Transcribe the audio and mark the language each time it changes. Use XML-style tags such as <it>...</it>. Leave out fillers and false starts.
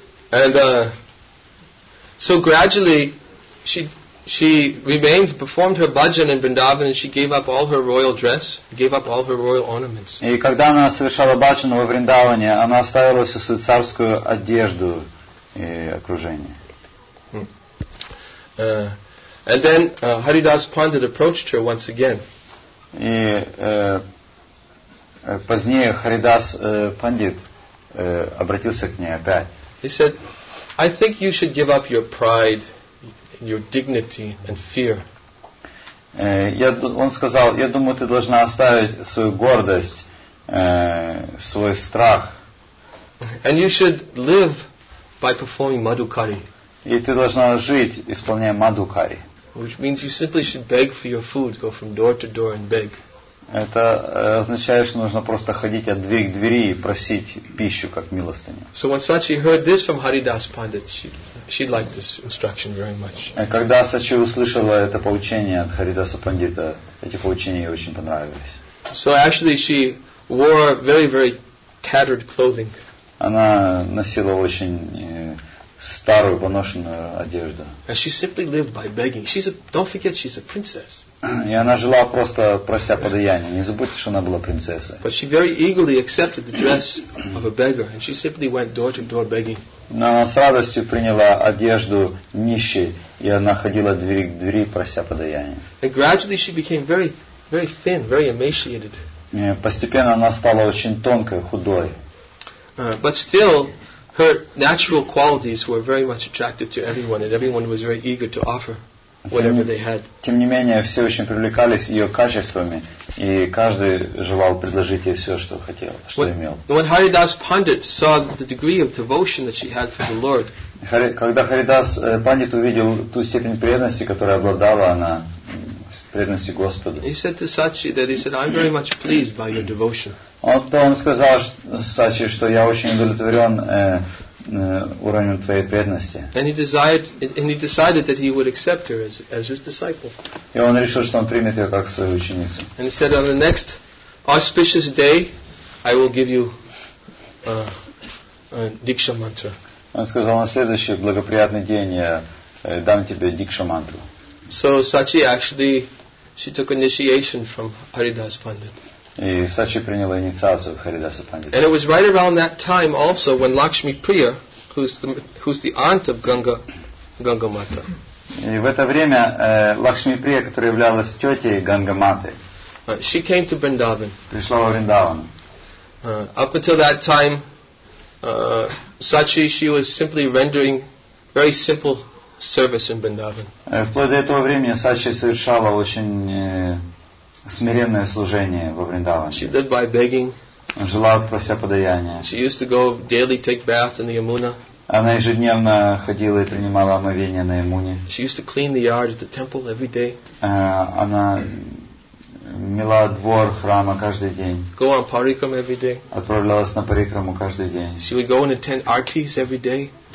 <en>And so gradually she remained, performed her bhajan in Vrindavan, and she gave up all her royal dress, gave up all her royal ornaments.</en> <ru>И когда она совершала бхаджан во Вриндаване, она оставила всю свою царскую одежду и окружение.</ru> <en>And then Haridas Pandit approached her once again.</en> <ru>И позднее Харидас Пандит обратился к ней опять.</ru> <en>He said, "I think you should give up your pride, your dignity, and fear."</en> <ru>Он сказал, я думаю, ты должна оставить свою гордость, свой страх.</ru> <en>And you should live by performing madhukari.</en> <ru>И ты должна жить, исполняя мадхукари.</ru> <en>Which means you simply should beg for your food, go from door to door and beg.</en> <ru>Это означает, что нужно просто ходить от двери к двери и просить пищу как милостыню.</ru> <en>So when Sachi heard this from Haridas Pandit, she liked this instruction very much.</en> <ru>Когда Сачи услышала это поучение от Харидаса Пандита, эти поучения ей очень понравились.</ru> <en>So actually she wore very very tattered clothing.</en> <ru>Она носила очень старую поношенную одежду.</ru> <en>And she simply lived by begging. She's a, don't forget, she's a princess.</en> <ru>И она жила просто прося подаяния. Не забудьте, что она была принцессой.</ru> <en>But she very eagerly accepted the dress of a beggar, and she simply went door to door begging.</en> <ru>Но она с радостью приняла одежду нищей, и она ходила двери к двери прося подаяния.</ru> <en>And gradually she became very, very thin, very emaciated.</en> <ru>И постепенно она стала очень тонкой, худой.</ru> <en>But still, her natural qualities were very much attractive to everyone, and everyone was very eager to offer whatever they had.</en> <ru>Тем не менее, все очень привлекались ее качествами, и каждый желал предложить ей все, что хотел, что имел.</ru> <en>When Haridas Pandit saw the degree of devotion that she had for the Lord,</en> <ru>когда Харидас Пандит увидел ту степень преданности, которой обладала она, преданности Господу,</ru> <en>he said to Sachi that he said, "I'm very much pleased by your devotion."</en> <ru>Он сказал Сачи, что я очень удовлетворен уровнем твоей преданности.</ru> <en>And he decided that he would accept her as his disciple.</en> <ru>И он решил, что он примет ее как свою ученицу.</ru> <en>And he said, on the next auspicious day, I will give you a Diksha mantra.</en> <ru>Он сказал, на следующий благоприятный день я дам тебе Дикшу мантру.</ru> <en>So Sachi actually, she took initiation from Haridas Pandit.</en> <ru>И Сачи приняла инициацию в Харидаса Пандита.</ru> <en>And it was right around that time also when Lakshmi Priya, who's the aunt of Ganga Mata.</en> <ru>И в это время Лакшми Прия, которая являлась тетей Ганга Маты,</ru> <en>she came to Vrindavan.</en> <ru>Пришла во Вриндаван.</ru> <en>Up until that time, Sachi, she was simply rendering very simple service in Vrindavan.</en> <ru>Вплоть до этого времени Сачи совершала очень смиренное служение во Вриндаване.</ru> <en>She lived by begging.</en> <ru>Жила, прося подаяния.</ru> <en>She used to go daily take bath in the Yamuna.</en> <ru>Она ежедневно ходила и принимала омовение на Ямуне.</ru> <en>She used to clean the yard at the temple every day.</en> <ru>Она мила двор храма каждый день.</ru> <en>Go on parikram every day.</en> <ru>Отправлялась на парикраму каждый день.</ru> <en>She would go and attend artis every day.</en>